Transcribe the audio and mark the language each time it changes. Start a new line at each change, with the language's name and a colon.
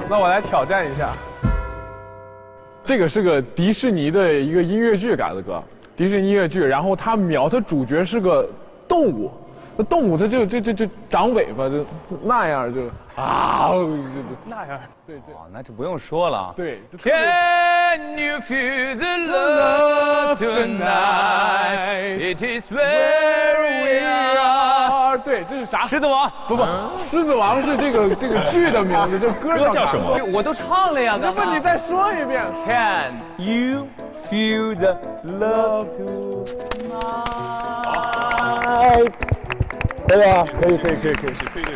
Chinese: 那我来挑战一下。这个是个迪士尼的一个音乐剧改的歌，迪士尼音乐剧，然后它主角是个动物，那动物它就长尾巴，就那样就啊，就那样，对，那就不用说了。对
English: ，Can you feel the love tonight? It is where we are.
Chinese: 对，这是啥？狮子王？不不，狮子王是这个剧的名字，这歌叫什么？我都唱了呀，那不你再说一遍。
English: Can you feel the love to
Chinese: night？ 可以啊，可以，